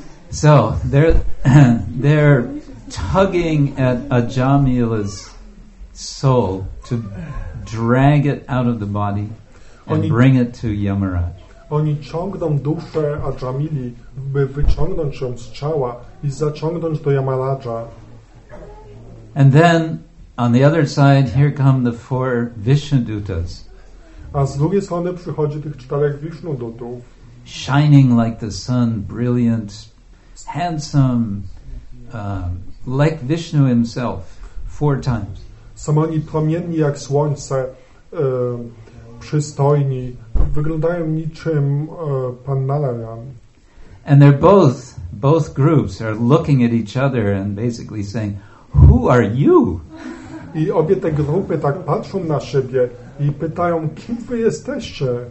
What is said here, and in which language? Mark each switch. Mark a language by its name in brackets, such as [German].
[English] So they're tugging at Ajamila's soul to drag it out of the body and bring it to Yamaraj. [Polish] Oni ciągną duszę Ajamili, by wyciągnąć ją z ciała i zaciągnąć do Yamaraja. [English] And then, on the other side, here come the four Vishnudutas. [Polish] A z drugiej strony przychodzi tych czterech Vishnudutów. [English] Shining like the sun, brilliant, handsome, like Vishnu himself, four times. [Polish] Są oni promienni jak słońce, przystojni, wyglądają niczym pan Narayan. [English] And they're both groups are looking at each other and basically saying, "Who are you?" [Polish] I obie te grupy tak patrzą na siebie i pytają, kim wy jesteście?